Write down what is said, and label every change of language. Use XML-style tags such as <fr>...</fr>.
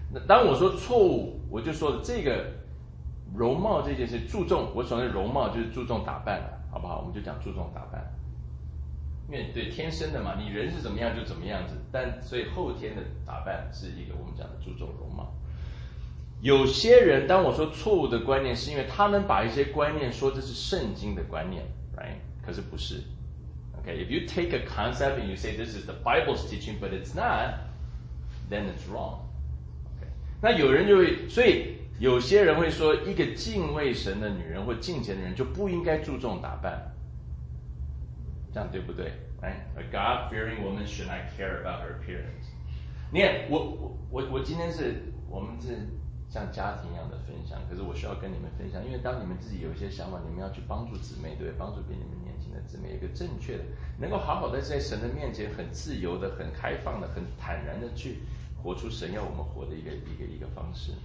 <zh>当我说错误，我就说这个容貌这件事，注重，我所谓容貌就是注重打扮了，好不好？我们就讲注重打扮，因为对天生的嘛，你人是怎么样就怎么样子，但所以后天的打扮是一个我们讲的注重容貌。有些人，当我说错误的观念，是因为他们把一些观念说这是圣经的观念， right？可是不是。</zh> <en>Okay, if you take a concept and you say this is the Bible's teaching, but it's not, then it's wrong.</en> <zh>Okay, 那有人就会，所以有些人会说，一个敬畏神的女人或敬虔的人就不应该注重打扮。这样对不对？Right?</zh> <en>A God-fearing woman should not care about her appearance.</en> <zh>你看，我今天是，我们是像家庭一样的分享，可是我需要跟你们分享，因为当你们自己有一些想法，你们要去帮助姊妹，对，帮助比你们年轻的姊妹，一个正确的，能够好好的在神的面前，很自由的，很开放的，很坦然的去活出神要我们活的一个方式。</zh>